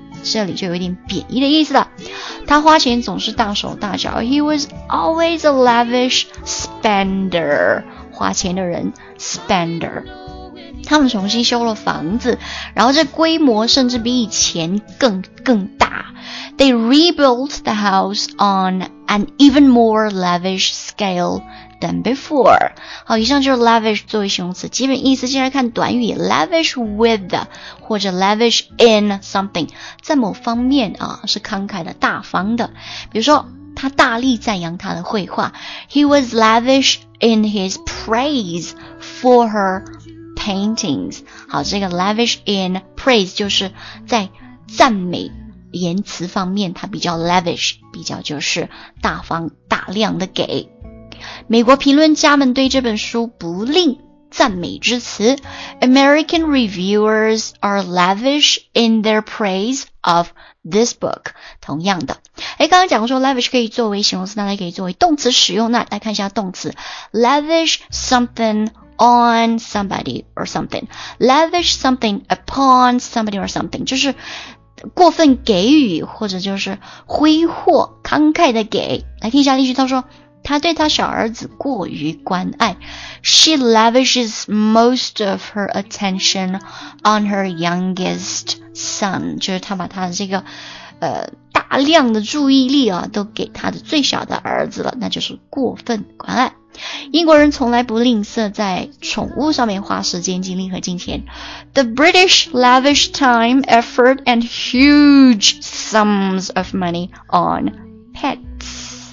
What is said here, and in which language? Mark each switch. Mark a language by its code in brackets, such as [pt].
[zh] 这里就有点贬义的意思了，他花钱总是大手大脚。 [en] He was always a lavish spender， [zh] 花钱的人 [en] spender。 [zh] 他们重新修了房子，然后这规模甚至比以前更大。 [en] They rebuilt the house on an even more lavish scale than before。 [zh] 好，以上就是 lavish 作为形容词基本意思。接下来看短语 lavish with 或者 lavish in something， 在某方面啊是慷慨的、大方的。比如说他大力赞扬他的绘画。 [en] He was lavish in his praise for her paintings。 [zh] 好，这个 lavish in praise 就是在赞美言辞方面他比较 lavish， 比较就是大方大量的给。美国评论家们对这本书不吝赞美之词。 [en] American reviewers are lavish in their praise of this book。 [zh] 同样的，刚刚讲说 lavish 可以作为形容词，那它可以作为动词使用。那来看一下动词 lavish something on somebody or something。 lavish something upon somebody or something 就是过分给予或者就是挥霍慷慨的给。来听一下例句，他说他对他小儿子过于关爱。 [en] She lavishes most of her attention on her youngest son， [zh] 就是他把他的这个大量的注意力啊都给他的最小的儿子了，那就是过分关爱。英国人从来不吝啬在宠物上面花时间、精力和金钱。 [en] The British lavish time, effort and huge sums of money on pets。